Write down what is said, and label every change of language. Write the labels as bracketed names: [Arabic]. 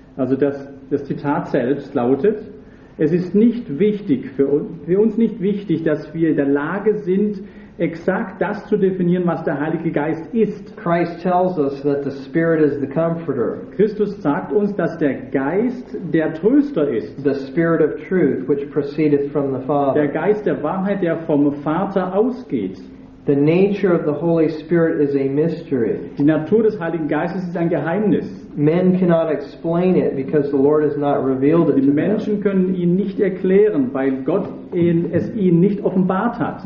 [German] Also das Zitat selbst lautet, es ist nicht wichtig für uns nicht wichtig, dass wir in der Lage sind, exakt das zu definieren, was der Heilige Geist ist. [English] Christ tells us that the Spirit is the Comforter. [German] Christus sagt uns, dass der Geist der Tröster ist. [English] The Spirit of Truth, which proceedeth from the Father. [German] Der Geist der Wahrheit, der vom Vater ausgeht. [English] The nature of the Holy Spirit is a mystery. [German] Die Natur des Heiligen Geistes ist ein Geheimnis. [English] Men cannot explain it because the Lord has not revealed it. [German] Die Menschen können ihn nicht erklären, weil Gott es ihnen nicht offenbart hat.